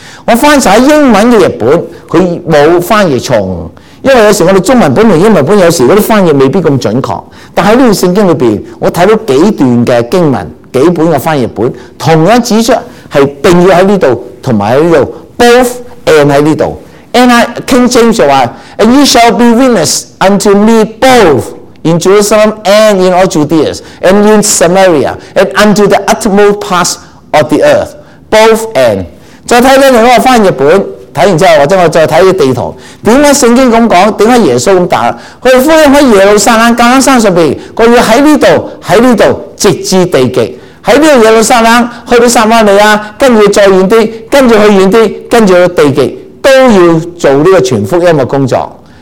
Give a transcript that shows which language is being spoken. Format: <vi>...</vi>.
<yue>我翻查英文的日本，它没有翻译错误，因为有时我们中文本和英文本有时那些翻译未必那么准确。但在这段圣经里面，我看到几段的经文，几本的翻译本同样指出是并要在这里同埋在这里 both and 在这里。</yue> <en>And I, King James</en> <yue>就说</yue> <en>And you shall be witness unto me both in Jerusalem and in all Judea and in Samaria and unto the utmost parts of the earth. Both and.</en> <yue>再看另外一个翻译本，看完之后或者我再看地图，为什么圣经这么说，为什么耶稣这么打，他们福音在耶路撒冷橄榄山上面，他要在这里，在这里直至地极，在这个耶路撒冷去到撒玛利亚，跟着再远一点，跟着去远一点，跟着去地极，都要做这个全福音的工作。</yue>